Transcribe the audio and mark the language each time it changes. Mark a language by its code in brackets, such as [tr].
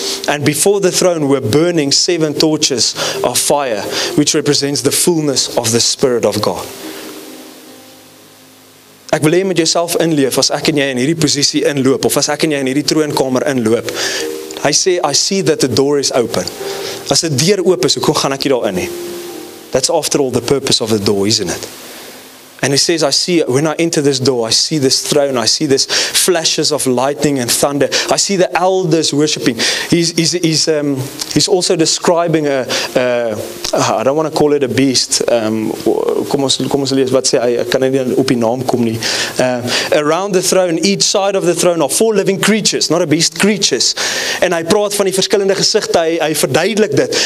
[en] And before the throne were burning seven torches of fire, which represents the fullness of the Spirit of God. [af] Ek wil hê met jouself inleef as ek en jy in hierdie posisie inloop, of as ek en jy in hierdie troonkamer inloop. Hy sê, [en] I see that the door is open. [af] As die deur oop is, hoe gaan ek hier daarin? [en] That's after all the purpose of the door, isn't it? And he says, I see, when I enter this door, I see this throne, I see this flashes of lightning and thunder. I see the elders worshipping. He's also describing I don't want to call it a beast. Around the throne, each side of the throne are four living creatures, not a beast, creatures. [af] And hy praat van die verskillende gesigte, hy verduidelik dit.